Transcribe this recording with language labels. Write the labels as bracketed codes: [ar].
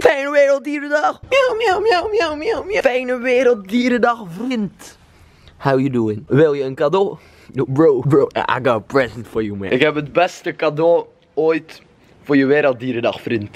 [nl] Fijne Werelddierendag. Miauw, miauw, miauw, miauw, miauw, miauw. Fijne Werelddierendag, vriend. [en] How you doing? [nl] Wil je een cadeau? [en] No, bro, I got a present for you, man. [nl] Ik heb het beste cadeau ooit voor je Werelddierendag, vriend.